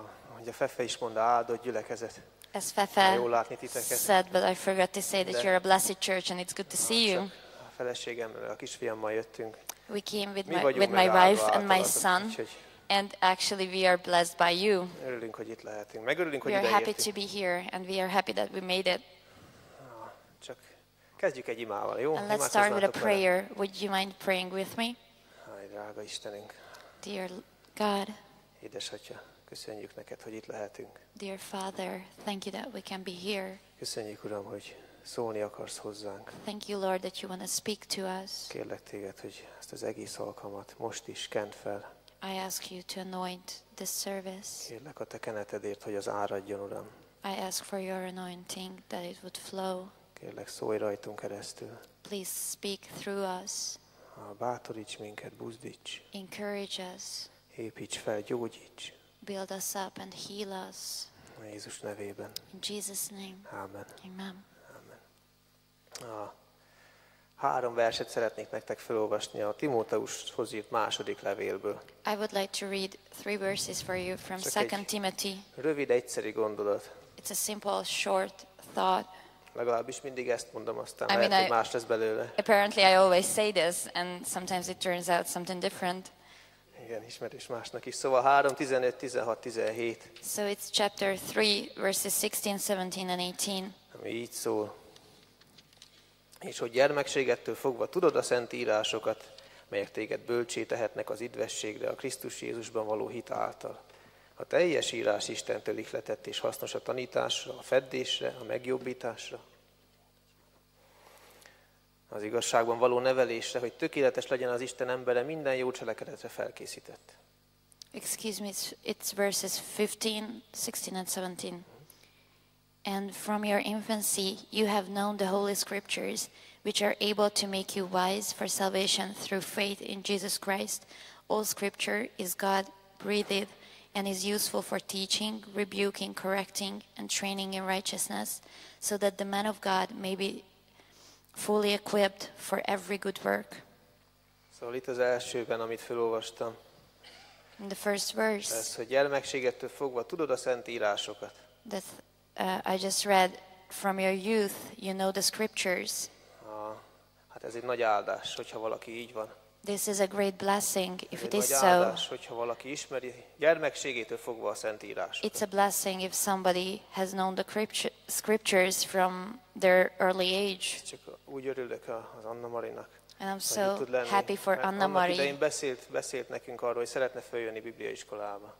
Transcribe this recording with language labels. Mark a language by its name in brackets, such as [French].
[Hungarian] Ahogy a Fefe is mondta, áldott gyülekezet. [English] As Fefe said, but I forgot to say that you're a blessed church and it's good to see you. [Hungarian] A feleségemmel, a kisfiammal jöttünk. [English] We came with my wife and my son. And actually we are blessed by you. [Hungarian] Örülünk, hogy itt lehetünk. Megörülünk, hogy ide jöttünk. [English] We are happy to be here and we are happy that we made it. [Hungarian] Csak kezdjük egy imával, jó? [English] And let's start with a prayer. Would you mind praying with me? [Hungarian] Háj, drága Istenünk. [English] Dear God. [Hungarian] Édesatya, köszönjük neked, hogy itt lehetünk. [English] Dear Father, thank you that we can be here. [Hungarian] Köszönjük, Uram, hogy szólni akarsz hozzánk. [English] Thank you, Lord, that you want to speak to us. [Hungarian] Kérlek téged, hogy ezt az egész alkalmat most is kent fel. [English] I ask you to anoint this service. [Hungarian] Kérlek a te kenetedért, hogy az áradjon, Uram. [English] I ask for your anointing, that it would flow. [Hungarian] Kérlek, szólj rajtunk keresztül. [English] Please speak through us. [Hungarian] Bátoríts minket, buzdíts. [English] Encourage us. [Hungarian] Építs fel, gyógyíts. [English] Build us up and heal us. [Hungarian] Jézus nevében. [English] In Jesus' name. Amen. Amen. Amen. [Hungarian] Három verset szeretnék nektek felolvasni a Timóteushoz írt második levélből. [English] I would like to read three verses for you from 2 Timothy. [Hungarian] Rövid, egyszerű gondolat. [English] It's a simple, short thought. [Hungarian] Legalábbis mindig ezt mondom, aztán lehet, hogy más lesz belőle. [English] Apparently I always say this, and sometimes it turns out something different. [Hungarian] Igen, ismerés másnak is. Szóval 3:15-16:17. [English] So it's chapter 3, verses 16, 17 and 18. [Hungarian] Ami így szól. És hogy gyermekségettől fogva tudod a szent írásokat, melyek téged bölcsé tehetnek az üdvösségre a Krisztus Jézusban való hit által. A teljes írás Istentől ihletett és hasznos a tanításra, a feddésre, a megjobbításra. Az igazságban való nevelésre, hogy tökéletes legyen az Isten embere minden jó cselekedetre felkészített. [English] Excuse me, it's verses 15, 16 and 17. And from your infancy you have known the holy scriptures, which are able to make you wise for salvation through faith in Jesus Christ. All scripture is God breathed and is useful for teaching, rebuking, correcting, and training in righteousness, so that the man of God may be fully equipped for every good work. [Hungarian] Szóval itt az elsőben, amit felolvastam. [English] In the first verse. [Hungarian] Ez, hogy gyermekségettől fogva tudod a szent írásokat. [English] That I just read, from your youth, you know the scriptures. [Hungarian] Hát ez egy nagy áldás, hogyha valaki így van. [English] This is a great blessing if it is so. [Hungarian] Hogyha valaki ismeri gyermekségétől fogva a szentírásokat. [English] It's a blessing if somebody has known the scriptures from their early age. [Hungarian] Csak úgy örülök az Anna Marinak. [English] And I'm so happy for Anna Mari. [Hungarian] Annak idején beszélt nekünk arról, hogy szeretne följönni Bibliaiskolába.